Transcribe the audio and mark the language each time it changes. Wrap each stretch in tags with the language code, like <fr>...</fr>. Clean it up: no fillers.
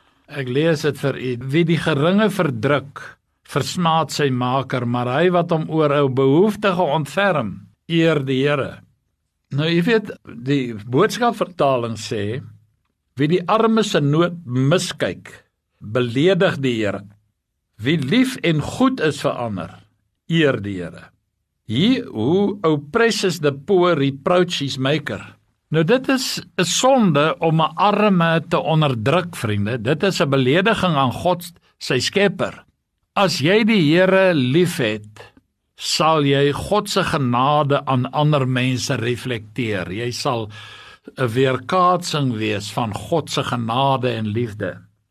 <af>Ek lees dit vir u. Wie die geringe verdruk, versmaad sy maker, maar hy wat hom oor 'n behoeftige ontferm, eer die Here. Nou, jy weet, die boodskapvertaling sê, wie die arme se nood miskyk, beledig die Here. Wie lief en goed is vir ander, eer die Here.</af> <en>He who oppresses the poor reproach his maker.</en> <af>Nou dit is 'n sonde om 'n arme te onderdruk, vriende. Dit is 'n belediging aan God, sy skepper. As jy die Here liefhet, sal jy God se genade aan ander mense reflekteer. Jy sal 'n weerkaatsing wees van God se genade en liefde.</af>